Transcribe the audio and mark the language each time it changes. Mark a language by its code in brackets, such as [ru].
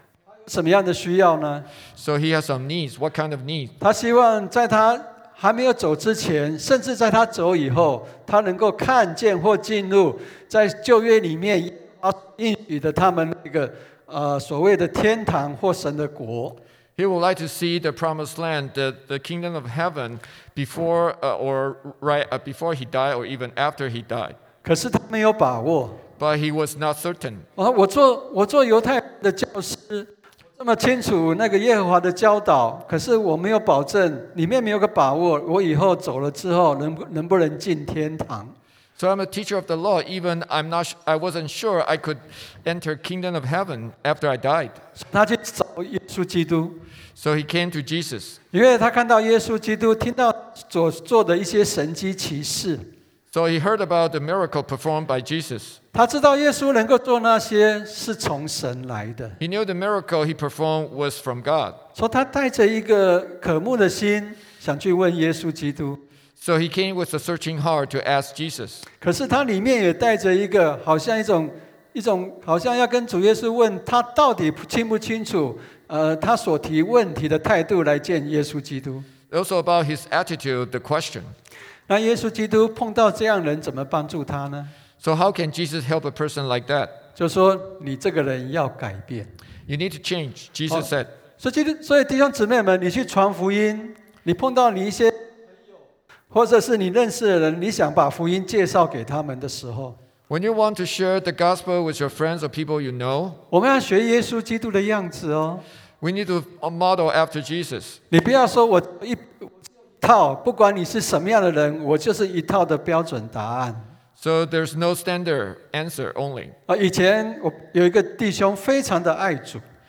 [zh] 他有什么样的需要呢？ [en] So he has some needs. What kind of needs? [zh] 他希望在他还没有走之前，甚至在他走以后，他能够看见或进入在旧约里面应许的他们那个所谓的天堂或神的国。 [en] He would like to see the promised land, the kingdom of heaven, before he died or even after he died. [zh] 可是他没有把握。 [en] But he was not certain. [zh] 我做犹太人的教师，这么清楚那个耶和华的教导，可是我没有保证，里面没有个把握，我以后走了之后能不能进天堂。 [en] So I'm a teacher of the law. Even I wasn't sure I could enter kingdom of heaven after I died. [zh] 他去找耶稣基督。 [en] So he came to Jesus. [zh] 因为他看到耶稣基督，听到所做的一些神迹奇事。 [en] So he heard about the miracle performed by Jesus. [zh] 他知道耶稣能够做那些是从神来的。 [en] He knew the miracle he performed was from God. [zh] 所以他带着一个渴慕的心，想去问耶稣基督。 [en] So he came with a searching heart to ask Jesus. [zh] 可是他里面也带着一个好像一种好像要跟主耶稣问他到底清不清楚，他所提问题的态度来见耶稣基督。 [en] Also about his attitude, the question. [zh] 那耶稣基督碰到这样人怎么帮助他呢？ [en] So how can Jesus help a person like that? [zh] 就说你这个人要改变。 [en] You need to change, Jesus said. [zh] 所以弟兄姊妹们，你去传福音，你碰到你一些或者是你认识的人，你想把福音介绍给他们的时候， [en] When you want to share the gospel with your friends or people you know, [zh] 我们要学耶稣基督的样子哦。 [en] We need to model after Jesus. [zh] 你不要说我一套，不管你是什么样的人，我就是一套的标准答案。 [en] So there's no standard answer only. [zh] 以前我有一个弟兄非常的爱主。